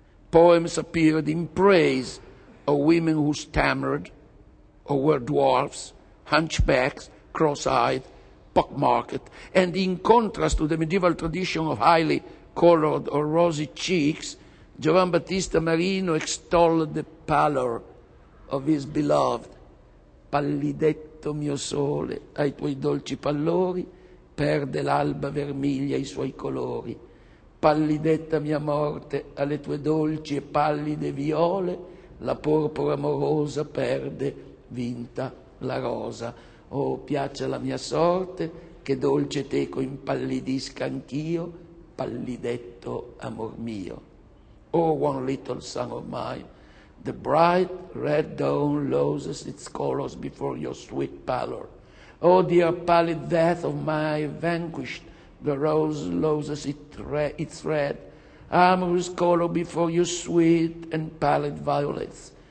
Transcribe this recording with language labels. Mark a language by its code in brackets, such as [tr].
[en] Poems appeared in praise of women who stammered, or were dwarfs, hunchbacks, cross-eyed, pockmarked, and in contrast to the medieval tradition of highly colored or rosy cheeks, Giovan Battista Marino extolled the pallor of his beloved. [it] Pallidette. Tutto mio sole, ai tuoi dolci pallori, perde l'alba vermiglia i suoi colori. Pallidetta mia morte, alle tue dolci e pallide viole, la porpora amorosa perde, vinta la rosa. Oh, piaccia la mia sorte, che dolce teco impallidisca anch'io, pallidetto amor mio. [en] Oh, one little son of mine. The bright red dawn loses its colors before your sweet pallor. Oh, dear pallid death of my vanquished, the rose loses its red, amorous color before your sweet and pallid violets.